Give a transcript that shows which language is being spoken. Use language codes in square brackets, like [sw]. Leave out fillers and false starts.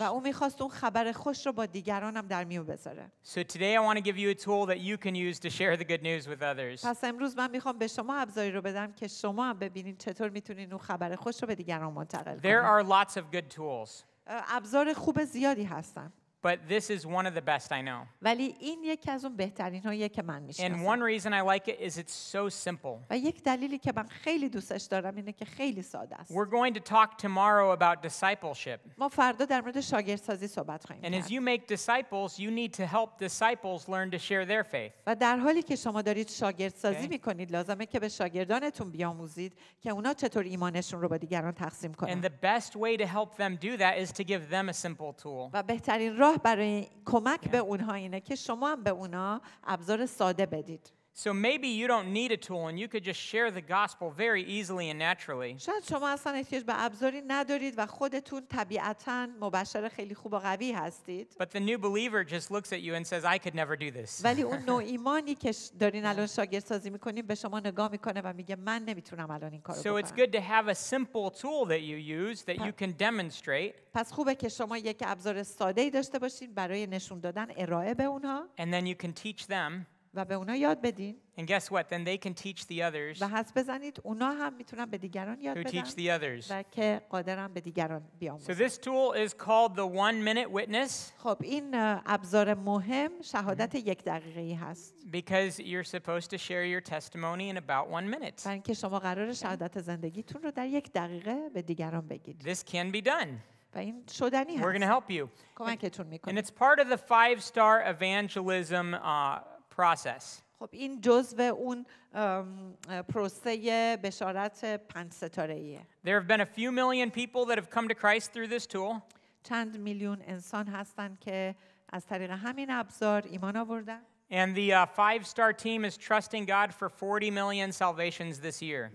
[fa] و او می‌خواست اون خبر خوش رو با دیگرانم در میون بذاره. [en] So today I want to give you a tool that you can use to share the good news with others. [fa] پس امروز من می‌خوام به شما ابزاری رو بدم که شما هم ببینید چطور می‌تونید اون خبر خوش رو به دیگران منتقل کنید. [en] There are lots of good tools. [fa] ابزار خوب زیادی هستن. [en] But this is one of the best I know. [fa] ولی این یکی از اون بهترین‌هایی که من می‌شناسم. [en] And one reason I like it is it's so simple. [fa] و یک دلیلی که من خیلی دوستش دارم اینه که خیلی ساده است. [en] We're going to talk tomorrow about discipleship. [fa] ما فردا در مورد شاگردسازی صحبت خواهیم کرد. [en] And as you make disciples, you need to help disciples learn to share their faith. [fa] و در حالی که شما دارید شاگردسازی می‌کنید، لازمه که به شاگردانتون بیاموزید که اونا چطور ایمانشون رو با دیگران تقسیم کنن. [en] And the best way to help them do that is to give them a simple tool. [fa] و بهترین راه برای کمک به اونها اینه که شما هم به اونها ابزار ساده بدید. [en] So maybe you don't need a tool and you could just share the gospel very easily and naturally. [fa] شاید شما اصلا نیاز به ابزاری ندارید و خودتون طبیعتاً مبشر خیلی خوب و قوی هستید. [en] But the new believer just looks at you and says, "I could never do this." [fa] ولی اون نو ایمانی که دارین الان شاگردسازی می‌کنین به شما نگاه می‌کنه و میگه من نمیتونم الان این کارو بکنم. [en] So it's good to have a simple tool that you use that you can demonstrate. [fa] پس خوبه که شما یک ابزار ساده‌ای داشته باشین برای نشون دادن ارائه به اونها. [en] And then you can teach them. [fa] و به اونا یاد بدین. [en] And guess what? Then they can teach the others. [fa] و حس بزنید اونا هم میتونن به دیگران یاد بدن. [en] Who teach the others. [fa] و که قادرن به دیگران بیاموزن. [en] So this tool is called the one-minute witness. [fa] خب این ابزار مهم شهادت یک دقیقه ای هست. [en] Because you're supposed to share your testimony in about 1 minute. [fa] برای اینکه شما قراره شهادت زندگیتون رو در یک دقیقه به دیگران بگید. [en] This can be done. [fa] و این شدنی هست. [en] We're going to help you. [fa] کمکتون میکنیم. [en] And it's part of the 5-star evangelism process. [fa] خب این جزء اون پروسه بشارت 5 ستاره‌ایه. [en] There have been a few million people that have come to Christ through this tool. [fa] چند میلیون انسان هستند که از طریق همین ابزار ایمان آوردن. [en] And the 5-star team is trusting God for 40 million salvations this year.